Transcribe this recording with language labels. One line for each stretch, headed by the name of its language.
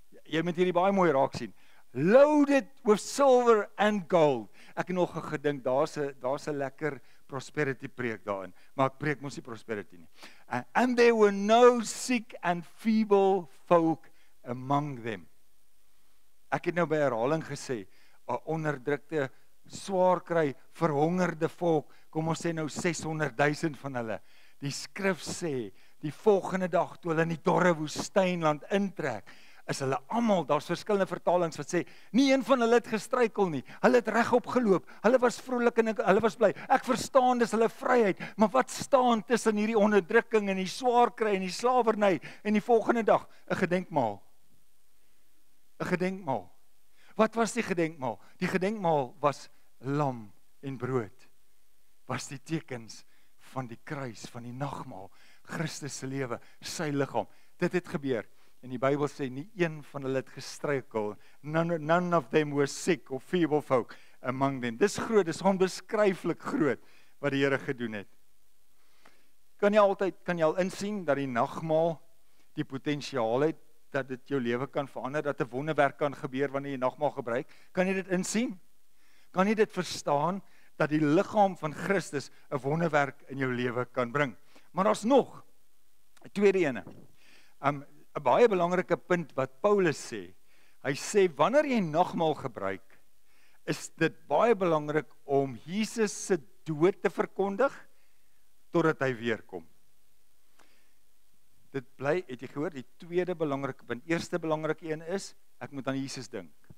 Afrikaans: Jy moet hierdie baie mooi raak sien.
English: Loaded with silver and gold.
Afrikaans: Ek het nog gedink, daar's 'n lekker prosperity preek daarin, maar ek preek mos nie prosperity nie.
English: And there were no sick and feeble folk among them.
Afrikaans: Ek het nou by herhaling gesê, onderdrukte, swaarkry, verhongerde volk, kom ons sê nou 600.000 van hulle. Die skrif sê, die volgende dag toe hulle in die dorre woestynland intrek, is hulle almal, daar's verskillende vertalings wat sê, nie een van hulle het gestruikel nie, hulle het regop geloop, hulle was vrolik en hulle was bly. Ek verstaan, dis hulle vryheid, maar wat staan tussen hierdie onderdrukking en die swaarkry en die slawerny en die volgende dag, 'n gedenkmaal. Een gedenkmaal. Wat was die gedenkmaal? Die gedenkmaal was lam en brood. Was die tekens van die kruis, van die nagmaal, Christus se lewe, sy liggaam. Dit het gebeur. En die Bybel sê, nie een van hulle het gestruikel.
English: None of them were sick or feeble folk among them.
Afrikaans: Dis groot, dis onbeskryflik groot, wat die Here gedoen het. Kan jy al insien, dat die nagmaal die potensiaal het, dat dit jou lewe kan verander, dat 'n wonderwerk kan gebeur wanneer jy nagmaal gebruik. Kan jy dit insien? Kan jy dit verstaan, dat die liggaam van Christus 'n wonderwerk in jou lewe kan bring? Maar daar's nog 'n tweede ene. 'N baie belangrike punt wat Paulus sê, hy sê, wanneer jy nagmaal gebruik, is dit baie belangrik om Jesus se dood te verkondig, totdat hy weerkom. Dit bly, het jy gehoor, die tweede belangrike punt. Eerste belangrike een is, ek moet aan Jesus dink.